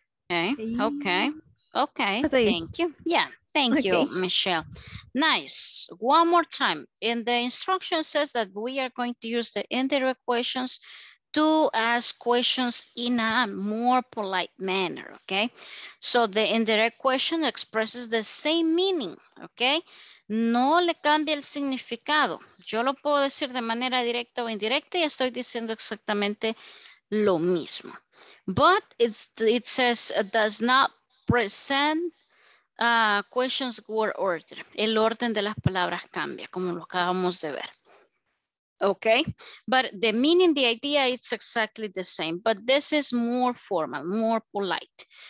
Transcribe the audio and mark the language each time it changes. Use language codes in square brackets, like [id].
[en] Okay. Thank you. Yeah. Thank you, Michelle. Nice. One more time. In the instruction says that we are going to use the indirect questions to ask questions in a more polite manner, okay? So the indirect question expresses the same meaning, okay? [es] No le cambia el significado. Yo lo puedo decir de manera directa o indirecta y estoy diciendo exactamente lo mismo. [en] But it says does not present questions word order. [es] El orden de las palabras cambia, como lo acabamos de ver. [en] Okay, but the meaning, the idea, it's exactly the same, but this is more formal, more polite.